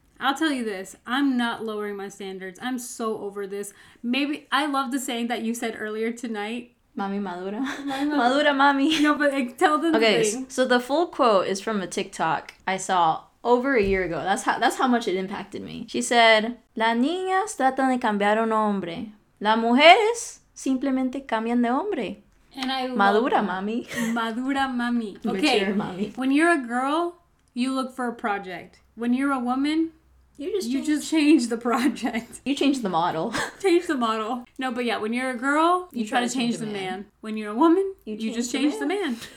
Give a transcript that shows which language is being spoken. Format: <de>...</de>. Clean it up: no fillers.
<en>I'll tell you this, I'm not lowering my standards. I'm so over this. Maybe, I love the saying that you said earlier tonight.</en> <es>Mami madura. Madura mami.</es> <en>No, but like, tell them the thing. Okay, so the full quote is from a TikTok I saw over a year ago. That's how much it impacted me.</en> <es>She said, las niñas tratan de cambiar un hombre. Las mujeres simplemente cambian de hombre.</es> <en>And I love</en> <es>madura mami. Madura mami. Okay.</es> <en>Mature mami. When you're a girl, you look for a project. When you're a woman, you just change the project. You change the model. Change the model. No, but yeah, when you're a girl, you try to change the man. When you're a woman, you just change the man.</en>